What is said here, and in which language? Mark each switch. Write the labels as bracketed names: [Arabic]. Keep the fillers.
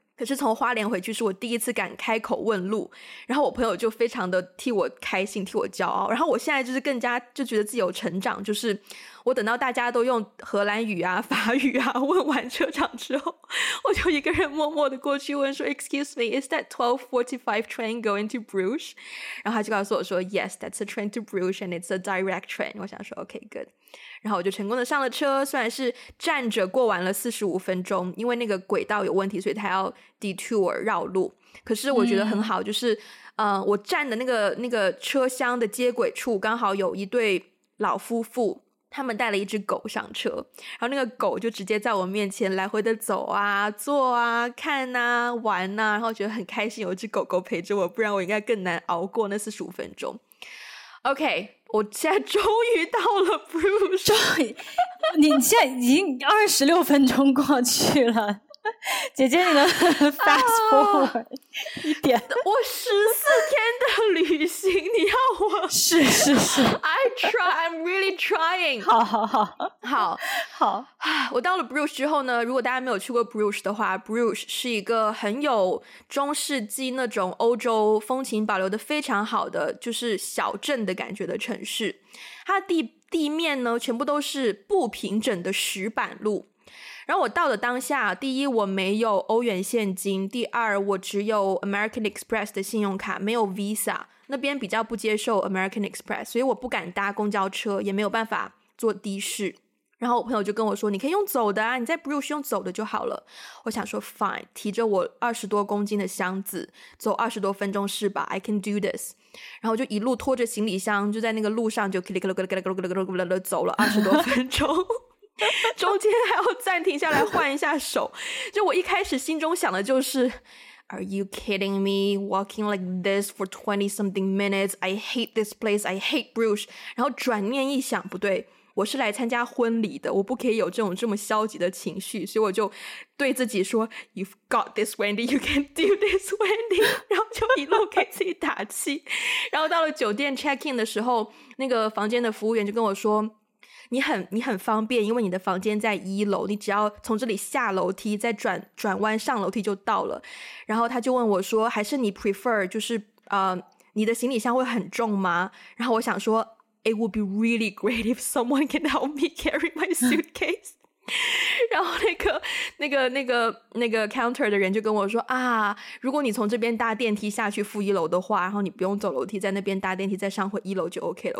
[Chinese] 可是从花莲回去是我第一次敢开口问路，然后我朋友就非常的替我开心，替我骄傲。然后我现在就是更加就觉得自己有成长，就是我等到大家都用荷兰语啊、法语啊问完车长之后，我就一个人默默的过去问说： [English] “Excuse me, is that twelve forty five train going to Bruges？” [Chinese] 然后他就告诉我说：“ [English] Yes, that's a train to Bruges and it's a direct train。 ” [Chinese] 我想说：“ [English] OK, good。 [Chinese] ”然后我就成功的上了车，虽然是站着过完了四十五分钟，因为那个轨道有问题，所以他要 detour 绕路。可是我觉得很好，嗯、就是，呃，我站的那个那个车厢的接轨处刚好有一对老夫妇，他们带了一只狗上车，然后那个狗就直接在我面前来回的走啊、坐啊、看呐、啊、玩呐、啊，然后觉得很开心，有一只狗狗陪着我，不然我应该更难熬过那四十五分钟。 OK，我现在终于到了，Bruce。你现在已经二十六分钟过去了。姐姐，你能发火一点？哦、我十四天的旅行，你要我？是是是， [English] I try, I'm really trying。 [Chinese] 好好好好好，我到了 b r Bruce 之后呢，如果大家没有去过 b r Bruce 的话，b r u c e 是一个很有中世纪那种欧洲风情保留的非常好的，就是小镇的感觉的城市。它的地地面呢，全部都是不平整的石板路。然后我到了当下，第一我没有欧元现金，第二我只有 American Express 的信用卡，没有 Visa，那边比较不接受 American Express，所以我不敢搭公交车，也没有办法坐的士。然后我朋友就跟我说，你可以用走的啊，你在 b 布鲁是用走的就好了。我想说 [English] Fine， [Chinese] 提着我二十多公斤的箱子走二十多分钟是吧？ [English] I can do this。 [Chinese] 然后就一路拖着行李箱，就在那个路上就咯咯咯咯咯咯咯咯咯咯走了二十多分钟。中间还要暂停下来换一下手，就我一开始心中想的就是， [English] Are you kidding me? Walking like this for twenty something minutes, I hate this place, I hate b r u c e [Chinese] 然后转念一想，不对，我是来参加婚礼的，我不可以有这种这么消极的情绪，所以我就对自己说， [English] You've got this, Wendy. You can do this, Wendy. [Chinese] 然后就一路给自己打气。然后到了酒店 check in 的时候，那个房间的服务员就跟我说。你很你很方便，因为你的房间在一楼，你只要从这里下楼梯，再转转弯上楼梯就到了。然后他就问我说，还是你 prefer 就是呃，uh, 你的行李箱会很重吗？然后我想说， [English] It would be really great if someone can help me carry my suitcase。 [Chinese] 然后那个、那个、那个、那个 counter 的人就跟我说啊，如果你从这边搭电梯下去负一楼的话，然后你不用走楼梯，在那边搭电梯再上回一楼就 OK 了。